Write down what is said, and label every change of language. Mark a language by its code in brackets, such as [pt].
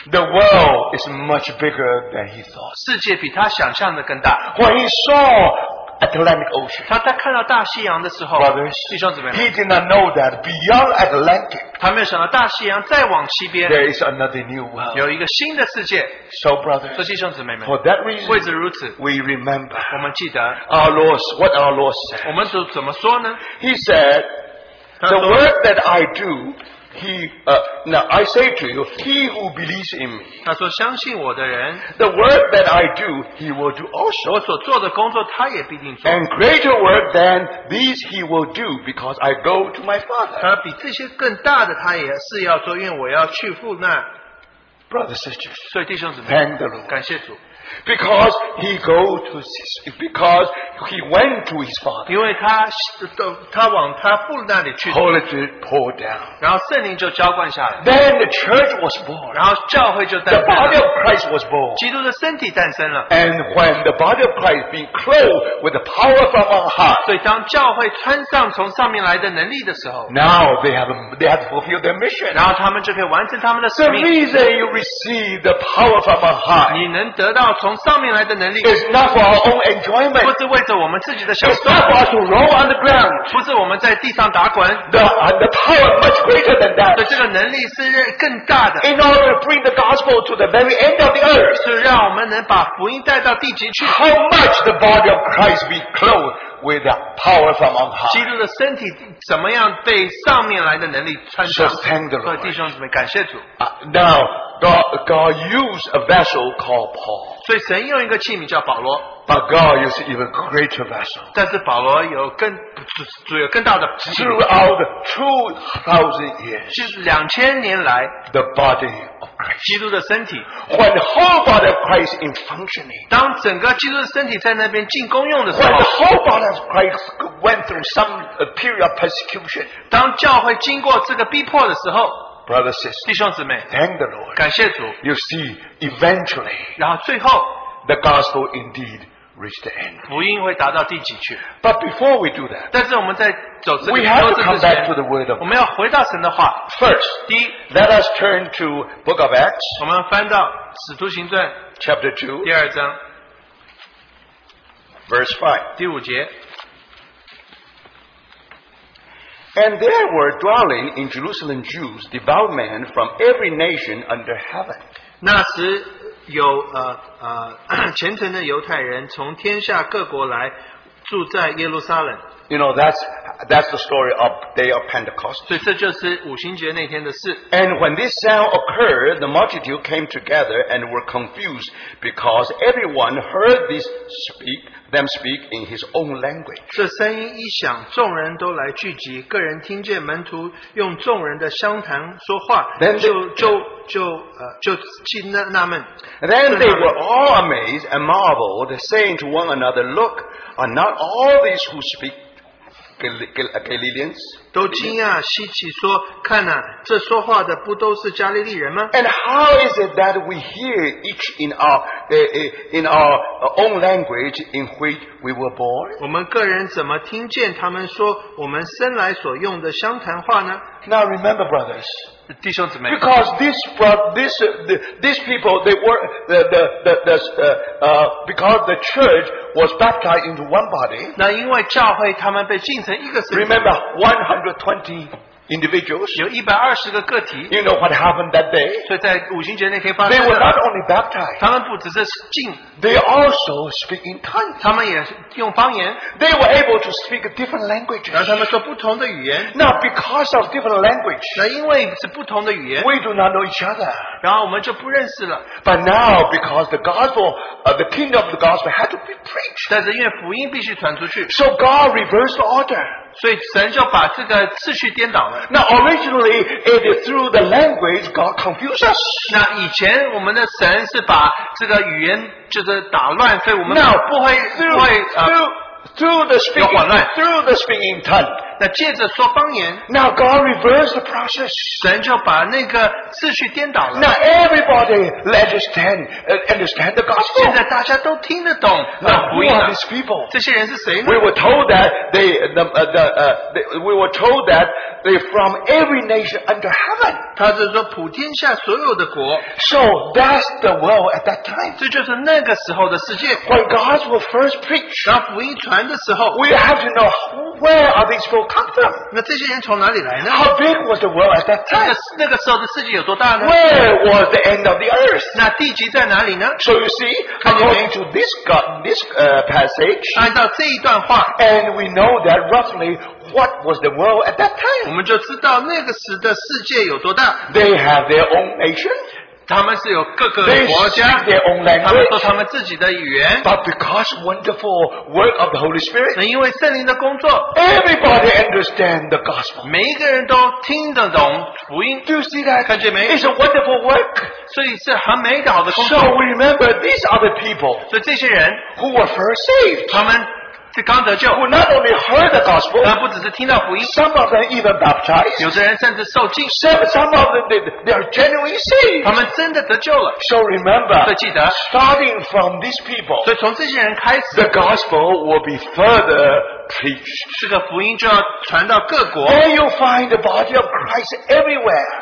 [en] The world is much bigger than he thought. [zh] 世界比他想象的更大 [en] When he saw Atlantic Ocean, [zh] 他在看到大西洋的时候 [en] Brothers, [zh] 弟兄姊妹们 [en] he did not know that beyond Atlantic, [zh] 他没有想到大西洋再往西边 [en] there is another new world. [zh] 有一个新的世界 [en] So, brothers, [zh] 说弟兄姊妹们 [en] for that reason, [zh] 为着如此 [en] we remember, [zh] 我们记得 [en] our Lord, what our Lord said. [zh] 我们主怎么说呢 [en] He said, the work that I do, I say to you, he who believes in me, [zh] 他说相信我的人 [en] the work that I do, he will do also. [zh] 我所做的工作他也必定做 [en] And greater work than these he will do, because I go to my Father. [zh] 他比这些更大的他也是要做，因为我要去父那。 [en] brothers and sisters. [zh] 所以弟兄姊妹, [en] thank the Lord. [zh] 感谢主。 [en] Because he go to his, because he went to his father. [zh] 因为他, 他往他父那里去。 [en] Holy Spirit poured down. [zh] 然后圣灵就浇灌下来。 [en] Then the church was born. [zh] 然后教会就诞生了。 [en] The body of Christ was born. [zh] 基督的身体诞生了。 [en] And when the body of Christ being clothed with the power from on high. [zh] 所以当教会穿上从上面来的能力的时候。 [en] Now they have fulfilled their mission. [zh] 然后他们就可以完成他们的使命。 [en] The reason you receive the power from on high. [zh] 你能得到从上面来的能力 [en] is not for our own enjoyment. [zh] 不是为着我们自己的享受 [en] It's not for us to roll on the ground. [zh] 不是我们在地上打滚 [en] The power much greater than that. [zh] 这个能力是更大的 [en] In order to bring the gospel to the very end of the earth. [zh] 是让我们能把福音带到地极去 [en] How much the body of Christ be clothed with the power from on high. [zh] 基督的身体怎么样被上面来的能力穿上 [en] So thank the Lord. [zh] 弟兄姊妹感谢主 [en] Now,God used a vessel called Paul. [zh] 所以神用一个器皿叫保罗。 [en] But God used even greater vessel. [zh] 但是保罗有更主有更大的器皿。 [en] Throughout 2,000 years, [zh] 就是两千年来 [en] the body of Christ, [zh] 基督的身体。 [en] When the whole body of Christ in functioning, [zh] 当整个基督的身体在那边进功用的时候 [en] ，When the whole body of Christ went through some period of persecution, [zh] 当教会经过这个逼迫的时候。 [en] Brother, sister, [zh] 弟兄姊妹 [en] thank the Lord. [zh] 感谢主 [en] You see, eventually, [zh] 然后最后 [en] the gospel indeed reached the end. [zh] 福音会达到地极去 [en] But before we do that, [zh] 但是我们在走这个 [en] we have to come back to the word of God. [zh] 我们要回到神的话 [en] First, [zh] 第一 [en] let us turn to Book of Acts. [zh] 我们翻到使徒行传 [en] Chapter 2, [zh] 第二章 [en] Verse 5, [zh] 第五节 [en] And there were dwelling in Jerusalem Jews, devout men from every nation under heaven. [zh] 那时有虔诚的犹太人从天下各国来住在耶路撒冷。 [en] You know, that's the story of day of Pentecost. [zh] 所以这就是五旬节那天的事。 [en] And when this sound occurred, the multitude came together and were confused because everyone heard them speak in his own language. [zh] 这声音一响，众人都来聚集，个人听见门徒用众人的乡谈说话，就纳闷。 [en] Then they were all amazed and marveled, saying to one another, Look, are not all these who speak Galileans? [zh] 都惊讶稀奇说，看哪，这说话的不都是加利利人吗？ [en] And how is it that we hear each in our own language in which we were born? [zh] 我们个人怎么听见他们说我们生来所用的乡谈话呢？ [en] Now remember, brothers. [zh] 弟兄姊妹 [en] because these people they were because the church was baptized into one body. [zh] 那因为教会他们被浸成一个身体。 [en] Remember 120 individuals. [zh] 有一百二十个个体。 [en] You know what happened that day? [zh] 所以在五旬节那天发生。 [en] They were not only baptized. [zh] 他们不只是浸。 [en] They also speak in tongues. [zh] 他们也用方言。 [en] They were able to speak different languages. [zh] 然后他们说不同的语言。 [en] Now because of different language. [zh] 那因为是不同的语言。 [en] We do not know each other. [zh] 然后我们就不认识了。 [en] But now because the gospel, the kingdom of the gospel had to be preached. [zh] 但是因为福音必须传出去。 [en] So God reversed the order. [zh] 所以神就把这个次序颠倒了。 [en] Now originally it is through the language God confused us. [zh] 那以前我们的神是把这个语言就是打乱，所以我们不会 [en] Now, through the speaking, [zh] 有混乱。 [en] Through the speaking tongue, [zh] 那借着说方言。 [en] Now God reversed the process. [zh] 神就把那个次序颠倒了。 [en] Now everybody understand the gospel. [zh] 现在大家都听得懂那福音了。 [en] Now, who are these people? [zh] 这些人是谁呢 [en] ？We were told that they from every nation under heaven. [zh] 他是说普天下所有的国。 [en] So that's the world at that time. [zh] 这就是那个时候的世界。 [en] When God was first preached, [zh] 当福音传的时候 [en] ，We have to know where are these people come from. [zh] 那这些人从哪里来呢 [en] ？How big was the world at that time? [zh] 那个时候的世界有多大呢 [en] ？Where was the end of the earth? [zh] 那地极在哪里呢 [en] ？So you see, according to this passage, [zh] 按照这一段话 [en] ，and we know that roughly. What was the world at that time? [zh] 我们就知道那个时的世界有多大。 [en] They have their own nation. [zh] 他们是有各个国家 [en] language, [zh] 他们说他们自己的语言 [en] but because wonderful work of the Holy Spirit, [zh] 因为圣灵的工作 [en] everybody understand the gospel, [zh] 每一个人都听得懂福音 [en] Do you see that? [zh] 看见没 [en] It's a wonderful work, [zh] 所以是很美好的工作 [en] So we remember these other people, [zh] 所以这些人 [en] who were first saved, [zh] 他们是刚得救 [en] who not only heard the gospel, [zh] 他不只是听到福音 [en] some of them even baptized, [zh] 有的人甚至受浸 [en] some of them they are genuinely saved, [zh] 他们真的得救了 [en] so remember, [zh] 所以记得 [en] starting from these people, [zh] 所以从这些人开始 [en] the gospel will be further preached, [zh] 这个福音就要传到各国 [en] and you'll find the body of Christ everywhere,